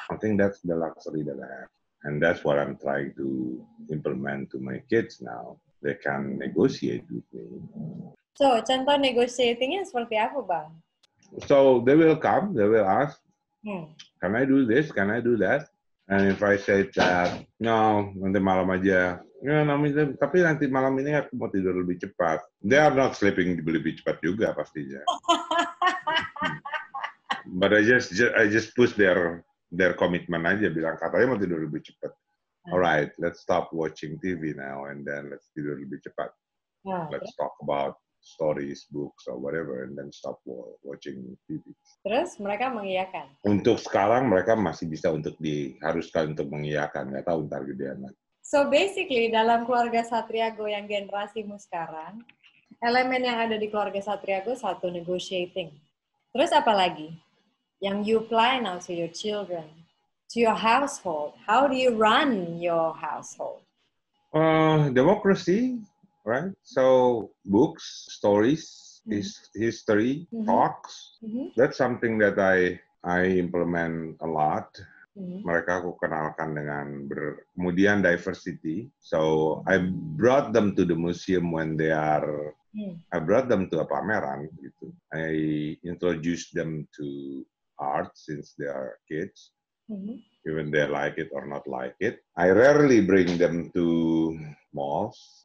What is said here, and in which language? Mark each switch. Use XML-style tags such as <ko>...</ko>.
<en>I think that's the luxury that I have. And that's what I'm trying to implement to my kids now. They can negotiate with me.</en> <id>So, contoh negotiating-nya seperti apa, Bang?</id> <en>So, they will come, they will ask, Can I do this, can I do that? And if I say that, no,</en> <id>nanti malam aja. Ya, tapi nanti malam ini aku mau tidur lebih cepat.</id> <en>They are not sleeping</en> <id>lebih cepat juga pastinya.</id> <en>But I just push their commitment</en> <id>aja. Bilang katanya mau tidur lebih cepat.</id> <en>Alright, let's stop watching TV now and then let's</en> <id>tidur lebih cepat.</id> <en>Let's talk about stories, books or whatever and then stop watching TV.</en> <id>Terus mereka mengiyakan? Untuk sekarang mereka masih bisa untuk diharuskan untuk mengiyakan. Gak tahu ntar gedean lagi.</id> <en>So basically,</en> <id>dalam keluarga Satriago yang generasimu sekarang, elemen yang ada di keluarga Satriago satu, negotiating. Terus apa lagi? Yang</id> <en>you apply now to your children, to your household, how do you run your household? Democracy, right? So books, stories, history, talks. That's something that I implement a lot.</en> <id>Mereka aku kenalkan dengan kemudian diversity.</id> <en>So I brought them to the museum when they are. I brought them to a</en> <id>pameran gitu.</id> <en>I introduced them to art since they are kids, mm-hmm. even they like it or not like it. I rarely bring them to malls.</en>